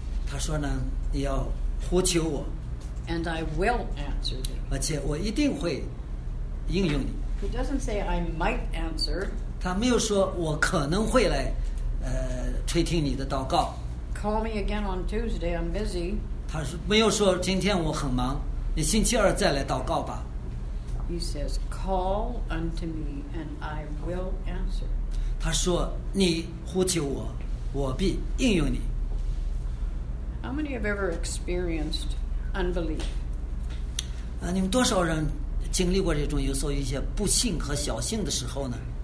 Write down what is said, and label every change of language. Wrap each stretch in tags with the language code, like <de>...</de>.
<zh>他说呢，你要呼求我。</zh> <en>And I will answer thee.</en> <zh>而且我一定会应允你。</zh> <en>He doesn't say I might answer.</en> <zh>他没有说我可能会来。垂听你的祷告。</zh> <en>Call me again on Tuesday. I'm busy.</en> <zh>他没有说今天我很忙，你星期二再来祷告吧。</zh> <en>He says, "Call unto me, and I will answer."</en> <zh>他说你呼求我，我必应允你。</zh> <en>How many have ever experienced unbelief?</en> <zh>你们多少人经历过这种有时候一些不幸和小幸的时候呢？</zh>